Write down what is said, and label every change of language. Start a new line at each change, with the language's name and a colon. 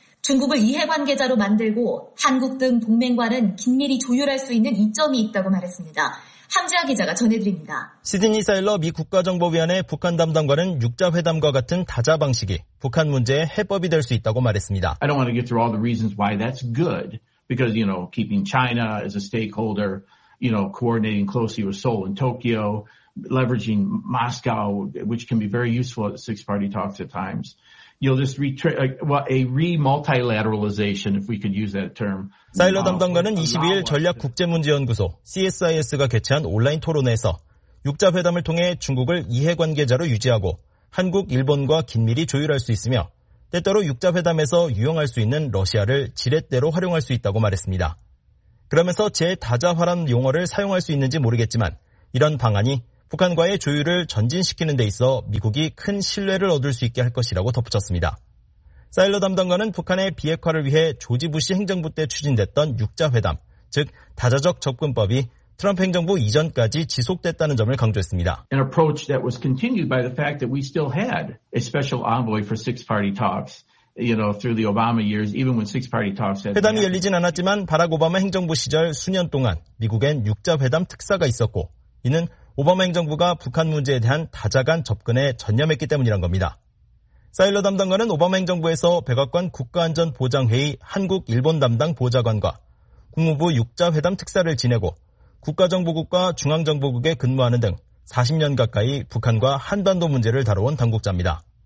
Korean: 중국을 이해관계자로 만들고 한국 등 동맹과는 긴밀히 조율할 수 있는 이점이 있다고 말했습니다. 함재하 기자가 전해드립니다. 시드니 사일러 미 국가정보위원회 북한 담당과는 육자회담과 같은 다자 방식이 북한 문제의 해법이 될 수 있다고 말했습니다.
English: I don't want to get through all the reasons why that's good. Because, you know, keeping China as a stakeholder, you know, coordinating closely with Seoul and Tokyo, leveraging Moscow, which can be very useful at six-party talks at times. You'll just re-multilateralization, if we could use that term.
Korean: 사일러 담당관은 22일 전략국제문제연구소 CSIS가 개최한 온라인 토론회에서 육자회담을 통해 중국을 이해관계자로 유지하고 한국, 일본과 긴밀히 조율할 수 있으며 때때로 육자회담에서 유용할 수 있는 러시아를 지렛대로 활용할 수 있다고 말했습니다. 그러면서 제다자화란 용어를 사용할 수 있는지 모르겠지만 이런 방안이 북한과의 조율을 전진시키는 데 있어 미국이 큰 신뢰를 얻을 수 있게 할 것이라고 덧붙였습니다. 사일러 담당관은 북한의 비핵화를 위해 조지 부시 행정부 때 추진됐던 육자회담, 즉 다자적 접근법이 트럼프 행정부 이전까지 지속됐다는 점을 강조했습니다.
English: An approach that was continued by the fact that we still had a special envoy for six-party talks, you know, through the Obama years, even when six-party talks had.
Korean: 회담이 열리진 않았지만 바락 오바마 행정부 시절 수년 동안 미국엔 육자회담 특사가 있었고 이는 오바마 행정부가 북한 문제에 대한 다자 간 접근에 전념했기 때문이란 겁니다. 사일러 담당관은 오바마 행정부에서 백악관 국가안전보장회의 한국 일본 담당 보좌관과 국무부 육자회담 특사를 지내고 국가정보국과 중앙정보국에 근무하는 등 40년 가까이 북한과 한반도 문제를 다뤄온 당국자입니다.